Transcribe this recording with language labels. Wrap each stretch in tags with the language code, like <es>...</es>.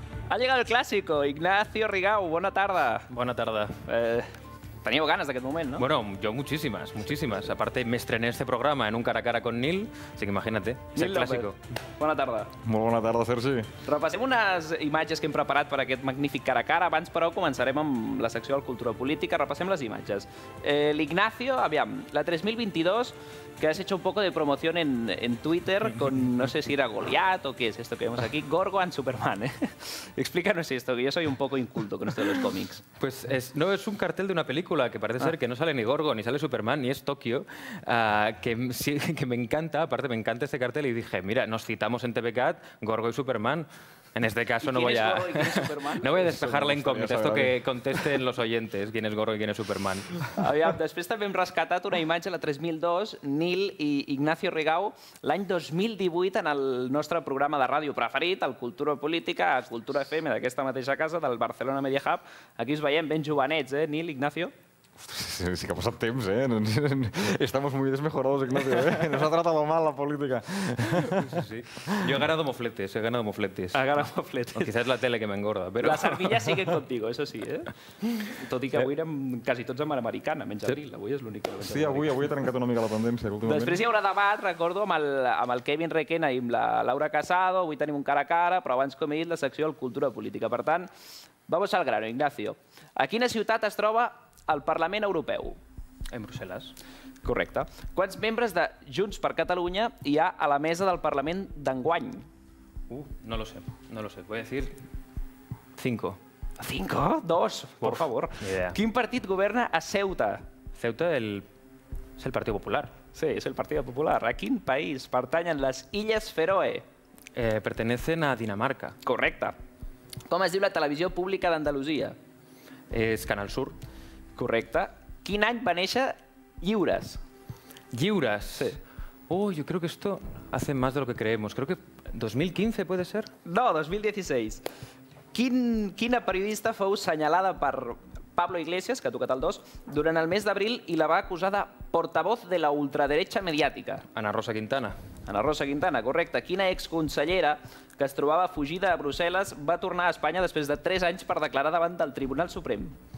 <ca>Ha llegat el clàssico, Ignacio Rigau, bona tarda. Bona tarda. Teníeu ganes d'aquest moment, no?</ca> <es>Bueno, yo muchísimas, muchísimas. Aparte, me estrené este programa en un cara a cara con Nil, así que imagínate, es el clásico.</es> <ca>Bona tarda. Molt bona tarda, Sergi. Repassem unes imatges que hem preparat per aquest magnífic cara a cara. Abans, però, començarem amb la secció de cultura política. Repassem les imatges. L'Ignacio, aviam, la 3022,</ca> <es>que has hecho un poco de promoción en Twitter con, no sé si era Goliat o qué es esto que vemos aquí, Gorgo and Superman. Explícanos esto, que yo soy un poco inculto con esto de los cómics. Pues es un cartel de una película que parece ser que no sale ni Gorgo, ni sale Superman, ni es Tokio, que me encanta, aparte me encanta este cartel, y dije, mira, nos citamos en TVCAT, Gorgo y Superman. En este caso no voy a... No voy a despejar la incógnita, esto que contesten los oyentes, quién es Gorgo y quién es Superman.</es> <ca>Aviam, després també hem rescatat una imatge, la 3002, Nil i Ignacio Rigau, l'any 2018 en el nostre programa de ràdio preferit, el Cultura Política, Cultura FM, d'aquesta mateixa casa, del Barcelona Media Hub. Aquí us veiem ben jovenets, eh, Nil, Ignacio? Sí que ha passat temps, eh?</ca> <es>Estamos muy desmejorados, Ignacio, eh? Nos ha tratado mal la política. Yo he ganado mofletes. Ha ganado mofletes. Quizás la tele que me engorda, pero... La sardilla sigue contigo, eso sí, eh?</es> <ca>Tot i que avui érem quasi tots amb americana, menys abril, avui és l'únic. Sí, avui he trencat una mica la tendència. Després hi haurà debat, recordo, amb el Kevin Requena i amb la Laura Casado, avui tenim un cara a cara, però abans, com he dit, la secció de cultura política. Per tant,</ca> <es>vamos al grano,</es> <ca>Ignacio. A quina ciutat es troba el Parlament Europeu? En Brussel·les. Correcte. Quants membres de Junts per Catalunya hi ha a la mesa del Parlament d'enguany?</ca> <es>No lo sé, no lo sé. Voy a decir 5.</es> <ca>5?</ca> <es>2, por favor.</es> <ca>Quin partit governa a Ceuta? Ceuta és el Partit Popular. Sí, és el Partit Popular. A quin país pertanyen les Illes Feroe?</ca> <es>Pertenecen a Dinamarca.</es> <ca>Correcte. Com es diu la televisió pública d'Andalusia? És Canal Sur. Correcte. Quin any va néixer Lliures? Lliures? Sí.</ca> <es>Yo creo que esto hace más de lo que creemos. Creo que 2015, ¿puede ser? No, 2016.</es> <ca>Quina periodista fou senyalada per Pablo Iglesias, que ha tocat el 2, durant el mes d'abril i la va acusar de portavoz de la ultradereta mediàtica? Ana Rosa Quintana. Ana Rosa Quintana, correcte. Quina exconsellera que es trobava fugida a Brussel·les va tornar a Espanya després de 3 anys per declarar davant del Tribunal Suprem?</ca>